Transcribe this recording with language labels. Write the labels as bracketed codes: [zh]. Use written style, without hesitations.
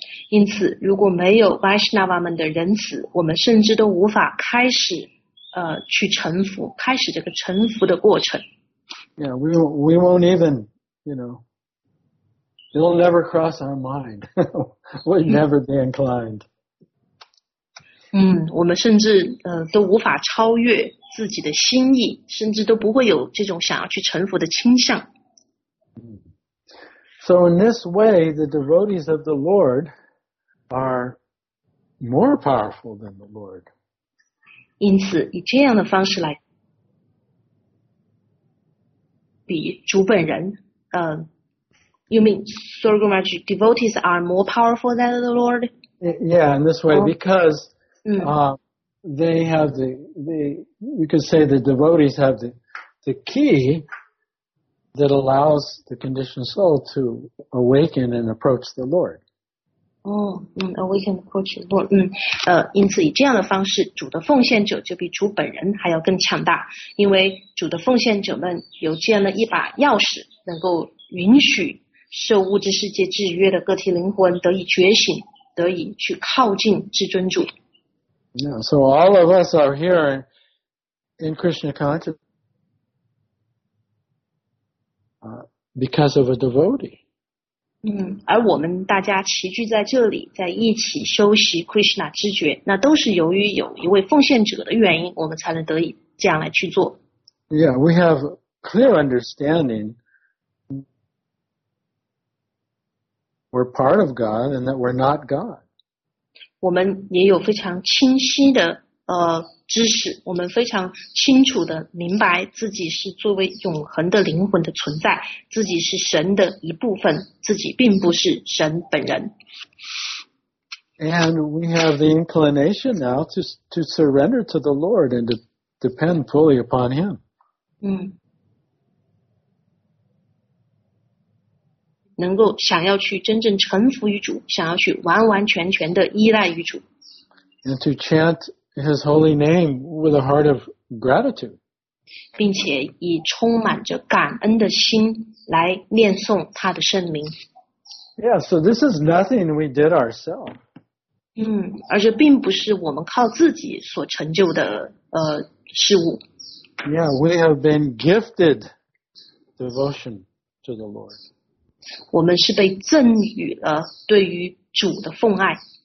[zh] 因此如果没有 Vaishnava 们的仁慈，我们甚至都无法开始去臣服，开始这个臣服的过程。 [en] Yeah, we won't even, you know, it'll never cross our mind. We'd never be inclined. [zh] 我们甚至都无法超越自己的心意，甚至都不会有这种想要去臣服的倾向。 [en] So in this way, the devotees of the Lord are more powerful than the Lord. [zh] 因此，以这样的方式来比主本人， [en] you mean, Sri Guru Maharaj, devotees are more powerful than the Lord? Yeah, in this way, because they have you could say the devotees have the key that allows the conditioned soul to awaken and approach the Lord. Awaken, approach the Lord. [zh] 因此以这样的方式，主的奉献者就比主本人还要更强大，因为主的奉献者们有这样的一把钥匙，能够允许受物质世界制约的个体灵魂得以觉醒，得以去靠近至尊主。 [en] Yeah, so all of us are here in Krishna consciousness because of a devotee. [zh] 而我们大家齐聚在这里，在一起修习 Krishna 知觉，那都是由于有一位奉献者的原因，我们才能得以这样来去做。 [en] Yeah, we have clear understanding we're part of God and that we're not God. [zh] 我们也有非常清晰的知识，我们非常清楚的明白自己是作为永恒的灵魂的存在，自己是神的一部分，自己并不是神本人。 [en] And we have the inclination now to surrender to the Lord and to depend fully upon Him. [zh] 能够想要去真正臣服于主，想要去完完全全的依赖于主。 [en] And to chant his holy name with a heart of gratitude. [zh] 并且以充满着感恩的心来念诵他的圣名。 [en] Yeah, so this is nothing we did ourselves. [zh] 而这并不是我们靠自己所成就的事物。 [en] Yeah, we have been gifted devotion to the Lord. [zh] 我们是被赠予了对于主的奉爱。